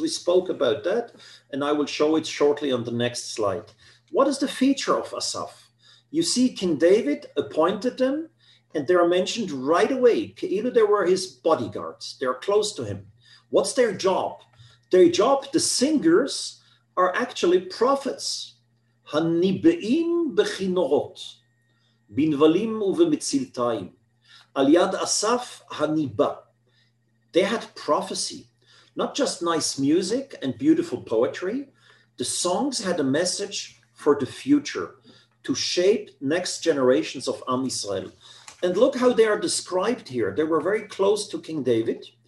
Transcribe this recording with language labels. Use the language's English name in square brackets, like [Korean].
[English] We spoke about that, and I will show it shortly on the next slide. What is the feature of Asaph? You see, King David appointed them, and they are mentioned right away. Either they were his bodyguards, they are close to him. What's their job? Their job, the singers, are actually prophets [Hebrew] הניבאים בכינורות, בנבלים ובמצילתיים, על יד אסף הניבא. [English] They had prophecy, not just nice music and beautiful poetry. The songs had a message for the future, to shape next generations of Am Yisrael. And look how they are described here. They were very close to King David.